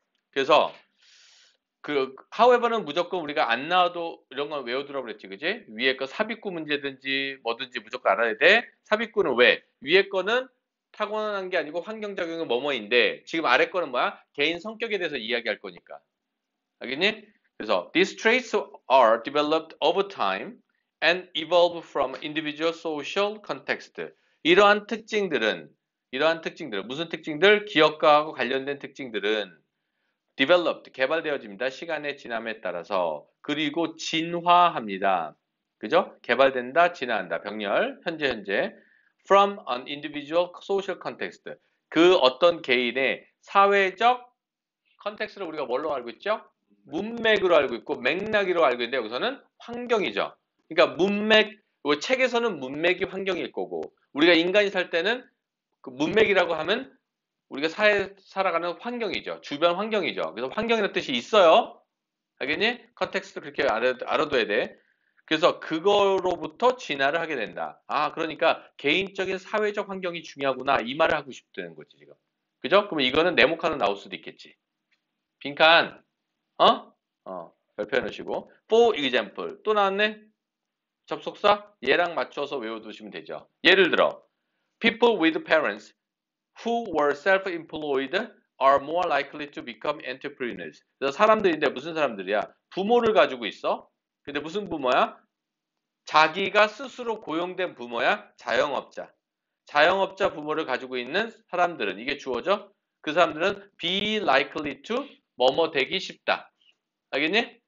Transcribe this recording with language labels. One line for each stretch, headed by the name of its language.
Korean: 그래서 그 however는 무조건 우리가 안 나와도 이런 건 외워두라고 그랬지, 그지? 위에 거 삽입구 문제든지 뭐든지 무조건 알아야 돼. 삽입구는 왜? 위에 거는 타고난 게 아니고 환경작용은 뭐뭐인데 지금 아래 거는 뭐야? 개인 성격에 대해서 이야기할 거니까. 알겠니? 그래서
English: these traits are developed over time and evolve from individual social context.
Korean: 이러한 특징들은 무슨 특징들? 기업가하고 관련된 특징들은 developed, 개발되어집니다. 시간의 지남에 따라서. 그리고 진화합니다. 그죠? 개발된다, 진화한다. 병렬, 현재.
English: From an individual social context.
Korean: 그 어떤 개인의 사회적 컨텍스트를 우리가 뭘로 알고 있죠? 문맥으로 알고 있고 맥락으로 알고 있는데 여기서는 환경이죠. 그러니까 문맥, 책에서는 문맥이 환경일 거고 우리가 인간이 살 때는 그 문맥이라고 하면 우리가 사회 살아가는 환경이죠. 주변 환경이죠. 그래서 환경이라는 뜻이 있어요. 알겠니? 컨텍스트 그렇게 알아둬야 돼. 그래서 그거로부터 진화를 하게 된다. 아, 그러니까 개인적인 사회적 환경이 중요하구나. 이 말을 하고 싶다는 거지, 지금. 그죠? 그럼 이거는 네모칸으로 나올 수도 있겠지. 빈칸, 별표해놓으시고.
English: For example,
Korean: 또 나왔네. 접속사, 얘랑 맞춰서 외워두시면 되죠. 예를 들어,
English: People with parents who were self-employed are more likely to become entrepreneurs.
Korean: 그래서 사람들인데 무슨 사람들이야? 부모를 가지고 있어. 근데 무슨 부모야? 자기가 스스로 고용된 부모야? 자영업자. 자영업자 부모를 가지고 있는 사람들은, 이게 주어죠? 그 사람들은 be likely to 뭐뭐 되기 쉽다. 알겠니?